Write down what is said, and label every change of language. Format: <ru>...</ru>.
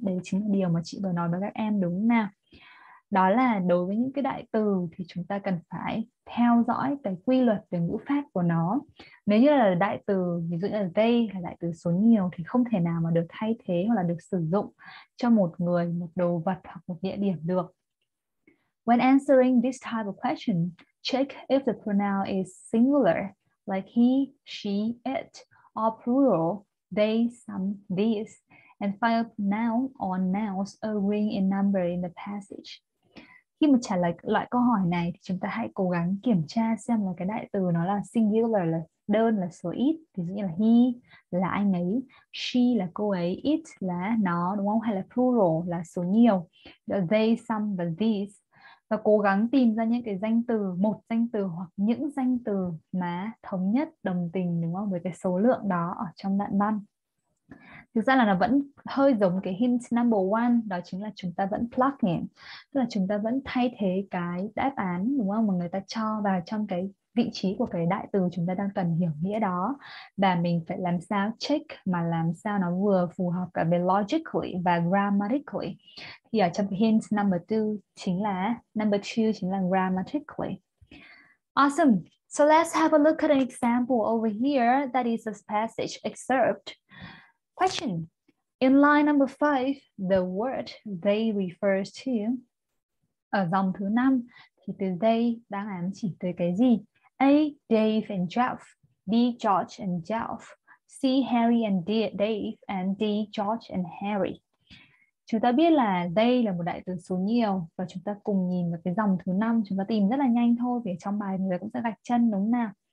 <vi>Đấy chính là điều mà chị vừa nói với các em, đúng không nào? Đó là đối với những cái đại từ thì chúng ta cần phải theo dõi cái quy luật về ngữ pháp của nó. Nếu như là đại từ, ví dụ như là they là đại từ số nhiều thì không thể nào mà được thay thế hoặc là được sử dụng cho một người, một đồ vật hoặc một địa điểm được.</vi> <en>When answering this type of question, check if the pronoun is singular, like he, she, it, or plural, they, some, these, and find noun or nouns agreeing in number in the passage.</en> <vi>Khi mà trả lời loại câu hỏi này thì chúng ta hãy cố gắng kiểm tra xem là cái đại từ nó là singular, là đơn, là số ít. Ví dụ như là he là anh ấy, she là cô ấy, it là nó, đúng không? Hay là plural là số nhiều, the they, some và these. Và cố gắng tìm ra những cái danh từ, một danh từ hoặc những danh từ mà thống nhất, đồng tình, đúng không? Với cái số lượng đó ở trong đoạn văn. Thực ra là nó vẫn hơi giống cái</vi> <en>hint number one,</en> <vi>đó chính là chúng ta vẫn plug nhỉ, tức là chúng ta vẫn thay thế cái đáp án, đúng không, mà người ta cho vào trong cái vị trí của cái đại từ chúng ta đang cần hiểu nghĩa đó. Và mình phải làm sao check mà làm sao nó vừa phù hợp cả về logically và grammatically. Thì ở trong cái</vi> <en>hint number two</en> <vi>chính là, number two chính là grammatically.</vi> <en>Awesome. So let's have a look at an example over here that is a passage excerpt. Question. In line number 5, the word they refers to.</en> <vi>Ở dòng thứ 5 thì từ they đang ám chỉ tới cái gì?</vi> <en>A. Dave and Jeff. B. George and Jeff. C. Harry and Dave. And D. George and Harry.</en> <vi>Chúng ta biết là they là một đại từ số nhiều, và chúng ta cùng nhìn vào cái dòng thứ 5, chúng ta tìm rất là nhanh thôi, vì trong bài người cũng sẽ gạch chân, đúng không nào?</vi>